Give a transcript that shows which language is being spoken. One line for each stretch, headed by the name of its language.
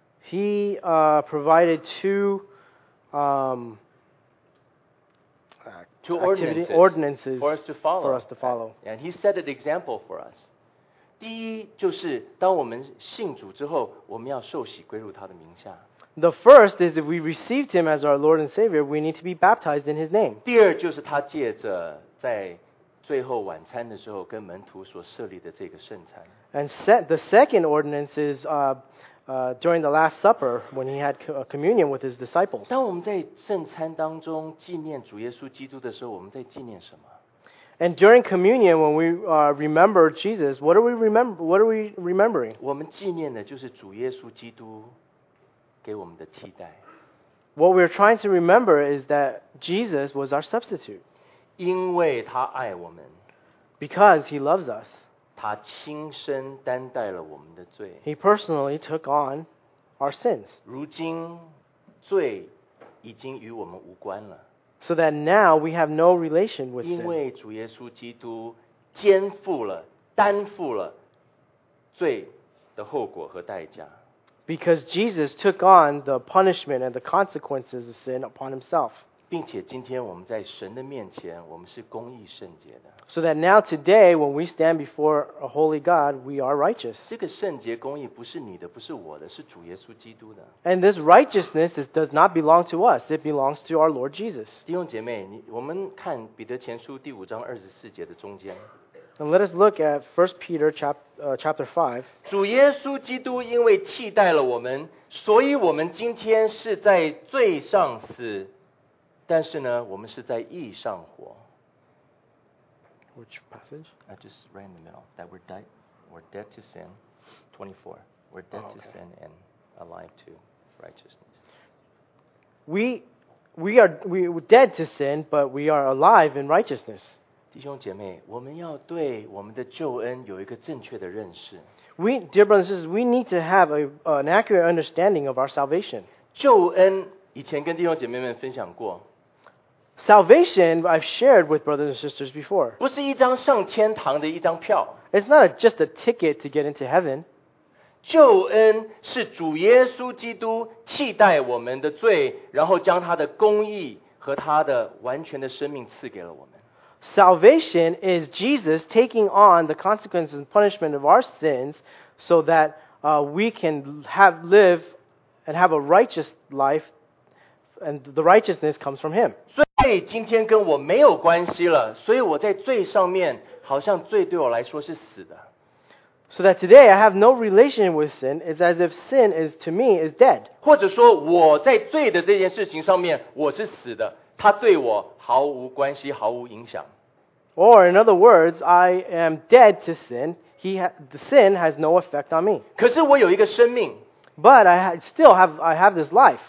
English: He provided two ordinances for us to follow. And he set an example for us.
Chinese: 第一就是当我们信主之后，我们要受洗归入他的名下。
English: The first is if we received him as our Lord and Savior, we need to be baptized in his name.
Chinese: 第二就是他借着在最后晚餐的时候跟门徒所设立的这个圣餐。
English: And the second ordinance is during the Last Supper when he had communion with his disciples.
Chinese: 当我们在圣餐当中纪念主耶稣基督的时候，我们在纪念什么？
English: And during communion when we remember Jesus, what are we remembering?
Chinese: 我们纪念的就是主耶稣基督给我们的替代。
English: What we're trying to remember is that Jesus was our substitute.
Chinese: 因为他爱我们。
English: Because he loves us.
Chinese: 他亲身担待了我们的罪。
English: He personally took on our sins.
Chinese: 如今罪已经与我们无关了。
English: So that now we have no relation with sin.
Chinese: 因为主耶稣基督肩负了、担负了罪的后果和代价。
English: Because Jesus took on the punishment and the consequences of sin upon himself.
Chinese: 并且今天我们在神的面前，我们是公义圣洁的。
English: So that now today, when we stand before a holy God, we are righteous.
Chinese: 这个圣洁公义不是你的，不是我的，是主耶稣基督的。
English: And this righteousness does not belong to us; it belongs to our Lord Jesus.
Chinese: 弟兄姐妹，我们看彼得前书第五章二十四节的中间。
English: And let us look at 1 Peter chapter 5.
Chinese: 主耶稣基督因为替代了我们，所以我们今天是在罪上死。但是呢，我们是在义上活。
English: Which passage? I just read in the middle that we're dead to sin, 24. We're dead to sin and alive to righteousness. We're dead to sin, but we are alive in righteousness.
Chinese: 弟兄姐妹，我们要对我们的救恩有一个正确的认识。
English: Dear brothers and sisters, we need to have an accurate understanding of our salvation.
Chinese: 救恩以前跟弟兄姐妹们分享过。
English: Salvation, I've shared with brothers and sisters before.
Chinese: 不是一张上天堂的一张票。
English: It's not just a ticket to get into heaven.
Chinese: 救恩是主耶稣基督替代我们的罪，然后将他的公义和他的完全的生命赐给了我们。
English: Salvation is Jesus taking on the consequences and punishment of our sins so that we can live and have a righteous life, and the righteousness comes from him.
Chinese: 罪今天跟我没有关系了，所以我在罪上面，好像罪对我来说是死的。
English: So that today I have no relation with sin, it's as if sin is to me is dead.
Chinese: 或者说我在罪的这件事情上面我是死的，它对我毫无关系，毫无影响。
English: Or in other words, I am dead to sin. The sin has no effect on me.
Chinese: 可是我有一个生命。
English: But I still have this life.